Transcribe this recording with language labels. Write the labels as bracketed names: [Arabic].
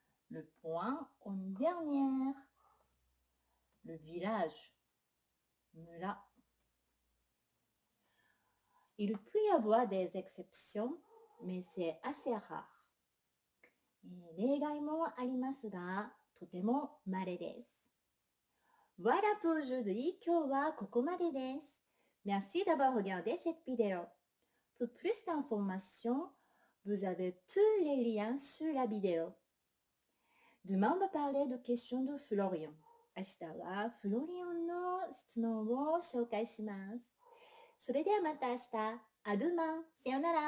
[French] Le point en dernière, le village, mula. Il peut y avoir des exceptions, mais c'est assez rare. [Japanese] 例外もありますが、とても稀です。 [French] Voilà pour aujourd'hui. [Japanese] 今日はここまでです。 [French] Merci d'avoir regardé cette vidéo. Pour plus d'informations, vous avez tous les liens sur la vidéo. Demain, on va parler de questions de Florian. [Japanese] 明日はフロリオンの質問を紹介します。それではまた明日。アドゥマン。さようなら。